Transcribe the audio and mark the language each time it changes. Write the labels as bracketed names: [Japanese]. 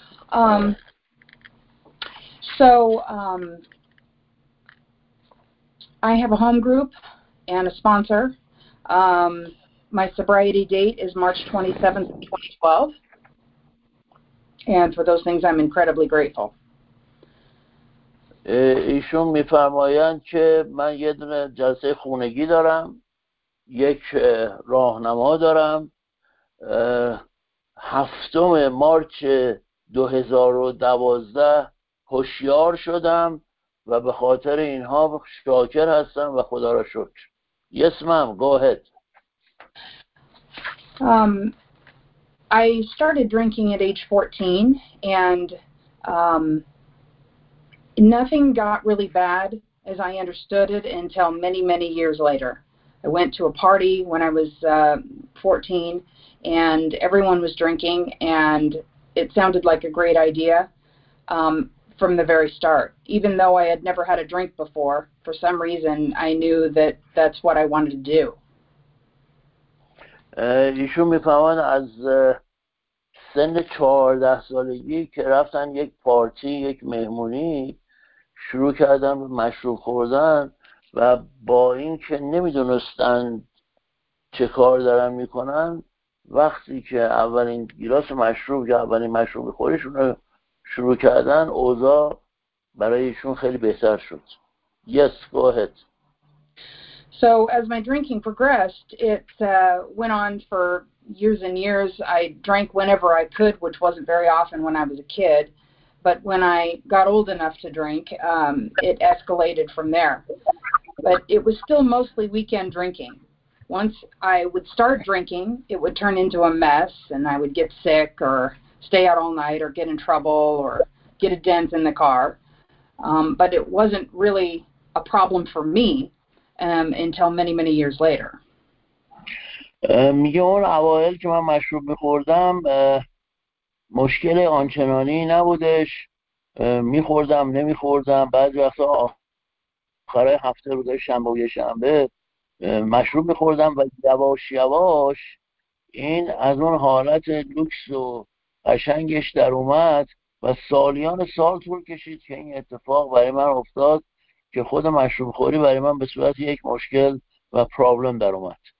[English] I have a home group and a sponsor. My sobriety date is March 27th, 2012, and for those things, I'm incredibly grateful. [Persian] ایشون میفرمایند که من یه دونه جلسه خونگی دارم، یک راهنما دارم، 7 مارچ 2012 هوشیار شدم و به خاطر اینها شاکر هستم و خدا را شکر. [English] Yes, ma'am, go ahead. I started drinking at age 14, and nothing got really bad, as I understood it, until many, many years later. I went to a party when I was 14, and everyone was drinking, and it sounded like a great idea from the very start. Even though I had never had a drink before, for some reason, I knew that that's what I wanted to do. [Persian] ایشون میفهمن از سن 14 سالگی که رفتن یک پارتی، یک مهمونی، شروع کردن به مشروب خوردن و با اینکه نمیدونستن چه کار دارن میکنن، وقتی که اولین گلاس مشروب یا اولین مشروب خوریشون رو شروع کردن، اوضاع برایشون خیلی بهتر شد. [English] Yes, go ahead. So as my drinking progressed, it went on for years and years. I drank whenever I could, which wasn't very often when I was a kid. But when I got old enough to drink, it escalated from there. But it was still mostly weekend drinking. Once I would start drinking, it would turn into a mess, and I would get sick or stay out all night or get in trouble or get a dent in the car. But it wasn't really a problem for me. Until many, many years later. [Persian] میگه اون اوائل که من مشروب میخوردم مشکل آنچنانی نبودش، میخوردم نمیخوردم، بعضی وقتا آخرهای هفته روزهای شنبه و یه شنبه مشروب میخوردم و یواش یواش این از اون حالت لوکس و قشنگش در اومد و سالیان سال طول کشید که این اتفاق برای من افتاد که خود مشروب خوری برای من به صورت یک مشکل و پرابلم در اومد.